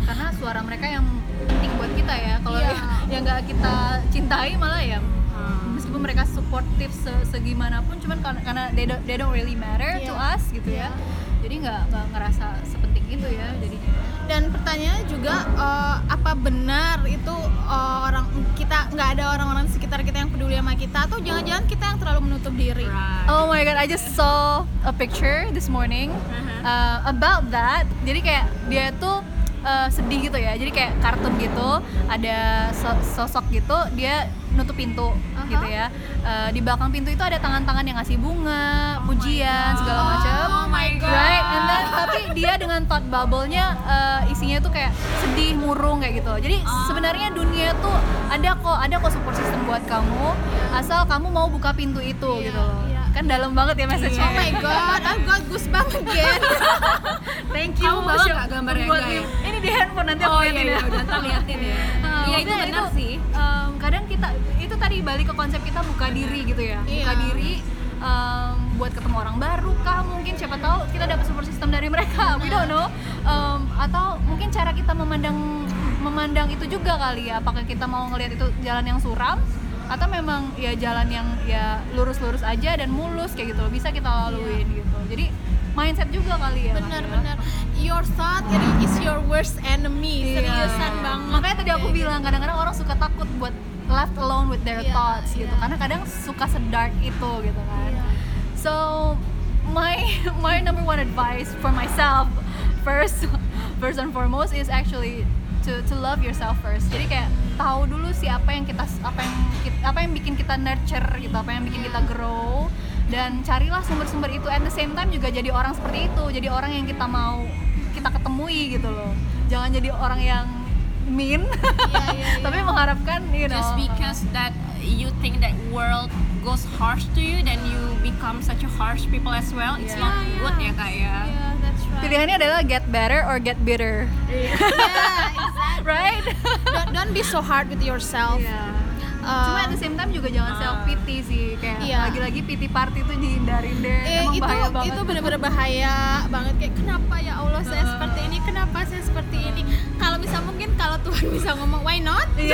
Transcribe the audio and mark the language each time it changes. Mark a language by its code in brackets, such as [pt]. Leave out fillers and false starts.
[id] Karena suara mereka yang penting buat kita ya, kalau yang gak kita cintai malah ya meskipun mereka supportive segimanapun cuman karena [en] they don't really matter to us [id] gitu ya, jadi gak ngerasa sepenting itu ya jadinya. Dan pertanyaannya juga apa benar itu orang kita gak ada orang-orang di sekitar kita yang peduli sama kita atau jangan-jangan kita yang terlalu menutup diri? [en] Oh my god, I just saw a picture this morning about that. [id] Jadi kayak dia tuh sedih gitu ya, jadi kayak kartun gitu, ada sosok gitu, dia nutup pintu gitu ya. Di belakang pintu itu ada tangan-tangan yang ngasih bunga, pujian, segala macam. [en] Oh my god. Right, and then [id] tapi dia dengan thought bubble-nya isinya tuh kayak sedih, murung kayak gitu. Jadi sebenarnya dunia tuh ada kok support system buat kamu, asal kamu mau buka pintu itu gitu loh. Kan dalam banget ya message-nya. [en] Oh my god, I've got goosebumps again. Thank you. [id] Kamu bawa enggak gambarnya, guys? Ini di handphone nanti aku liatin ya. Iya, itu benar sih. Kadang kita itu tadi balik ke konsep kita buka diri gitu ya. Buka diri buat ketemu orang baru kah, mungkin siapa tahu kita dapat support system dari mereka. [en] We don't know. [id] Atau mungkin cara kita memandang itu juga kali ya. Apakah kita mau ngelihat itu jalan yang suram atau memang ya jalan yang ya lurus-lurus aja dan mulus kayak gitu loh, bisa kita laluin gitu. Jadi mindset juga kali ya. Benar-benar. [en] Your thought is your worst enemy. [id] Seriusan banget. Makanya tadi aku bilang gitu. Kadang-kadang orang suka takut buat [en] left alone with their thoughts [id] gitu. Karena kadang suka sedark itu gitu kan. [en] So my number one advice for myself first and foremost is actually to love yourself first. [id] Jadi kayak tahu dulu sih apa yang bikin kita nurture gitu, apa yang bikin kita grow, dan carilah sumber-sumber itu. [en] At the same time [id] juga jadi orang seperti itu, jadi orang yang kita mau kita ketemui gitu loh. Jangan jadi orang yang mean. Tapi mengharapkan, [en] you know, just because that you think that world goes harsh to you then you become such a harsh people as well. It's not good [id] ya kak ya. Pilihannya adalah [en] get better or get bitter. Exactly. Right? Don't be so hard with yourself. [id] Cuma [en] at the same time [id] juga jangan self pity sih kayak. Lagi-lagi pity party itu dihindarin deh. Emang bahaya banget. Itu benar-benar bahaya banget, kayak kenapa ya Allah saya seperti ini? Kenapa saya seperti ini? Kalau bisa mungkin kalau Tuhan bisa ngomong [en] why not?